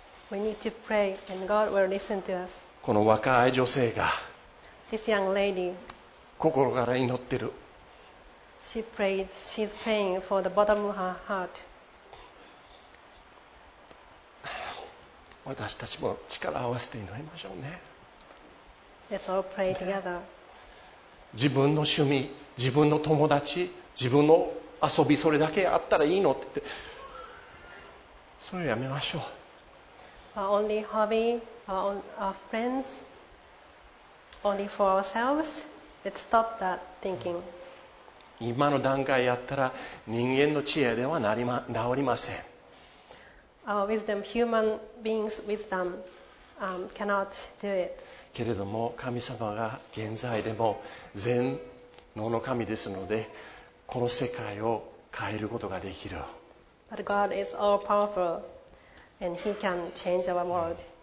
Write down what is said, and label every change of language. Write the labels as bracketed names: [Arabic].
[English] We need to pray and God will listen to us. [Japanese] この若い女性が。 [English] This young lady. [Japanese] 心から祈ってる。 [English] She prayed. She's praying for the bottom of her heart. [Japanese] 私たちも力を合わせて祈りましょうね。 [English] Let's all pray together. [Japanese] 自分の趣味、自分の友達、自分の遊び、それだけあったらいいのって言って、それをやめましょう。 [English] Our only hobby, our friends, only for ourselves. Let's stop that thinking. [Japanese] 今の段階やったら人間の知恵では治りません。 [English] Our wisdom, human beings' wisdom, cannot do it. [Japanese] けれども神様が現在でも全能の神ですので、この世界を変えることができる。 [English] But God is all powerful, and He can change our world.